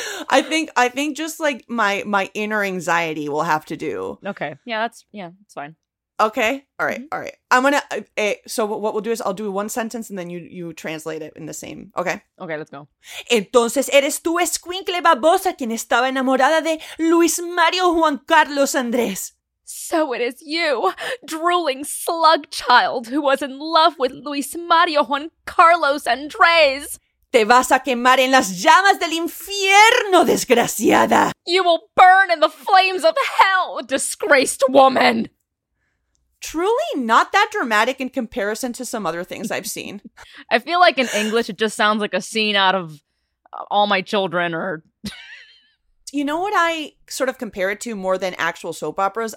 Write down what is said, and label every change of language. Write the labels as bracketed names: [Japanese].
[English] I think just like my inner anxiety will have to do. Okay. Yeah, that's fine. Okay. All right. Mm-hmm. All right. I'm going to so what we'll do is I'll do one sentence and then you translate it in the same. Okay. Okay, let's go. [Spanish] Entonces, ¿eres tú Escuincle Babosa quien estaba enamorada de Luis Mario Juan Carlos Andrés? [English] So it is you, drooling slug child who was in love with Luis Mario Juan Carlos Andrés. [Spanish] Te vas a quemar en las llamas del infierno, desgraciada. [English] You will burn in the flames of hell, disgraced woman. Truly not that dramatic in comparison to some other things I've seen. I feel like in English it just sounds like a scene out of All My Children or... You know what I sort of compare it to more than actual soap operas?